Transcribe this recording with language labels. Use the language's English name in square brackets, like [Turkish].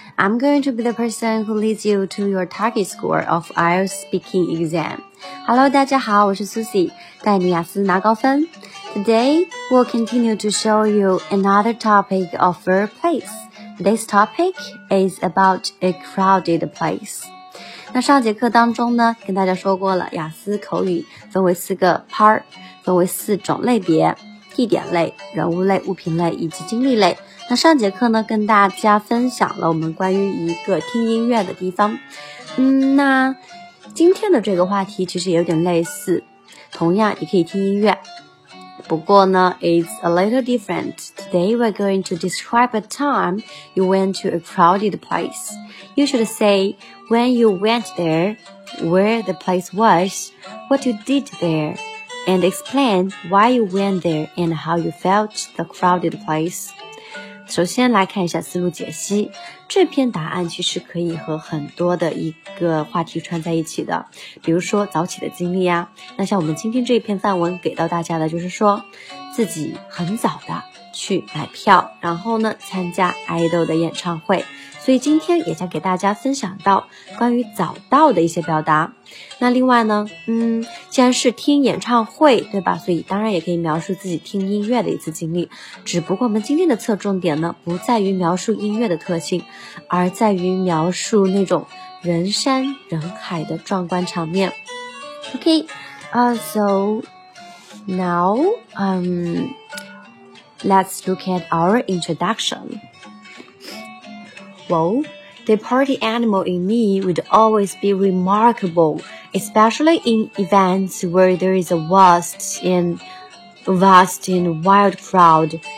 [English] I'm going to be the person who leads you to your target score of IELTS speaking exam. [Chinese] Hello, 大家好，我是 Susie, 带你雅思拿高分。 [English] Today, we'll continue to show you another topic of workplace. This topic is about a crowded place. [Chinese] 那上节课当中呢跟大家说过了雅思口语分为四个 part, 分为四种类别地点类人物类物品类以及经历类。那上节课呢跟大家分享了我们关于一个听音乐的地方。那今天的这个话题其实也有点类似同样也可以听音乐。不过呢 [English] it's a little different. Today we're going to describe a time you went to a crowded place. You should say,When you went there, where the place was, what you did there, and explain why you went there and how you felt the crowded place. [Chinese] 首先来看一下思路解析，这篇答案其实可以和很多的一个话题串在一起的，比如说早起的经历啊，那像我们今天这篇范文给到大家的就是说，自己很早的去买票，然后呢，参加 idol 的演唱会。所以今天也想给大家分享到关于早到的一些表达。那另外呢，既然是听演唱会，对吧？所以当然也可以描述自己听音乐的一次经历。只不过我们今天的侧重点呢，不在于描述音乐的特性，而在于描述那种人山人海的壮观场面。 [English] Okay, so now, let's look at our introduction. Well, the party animal in me would always be remarkable, especially in events where there is a vast and wild crowd.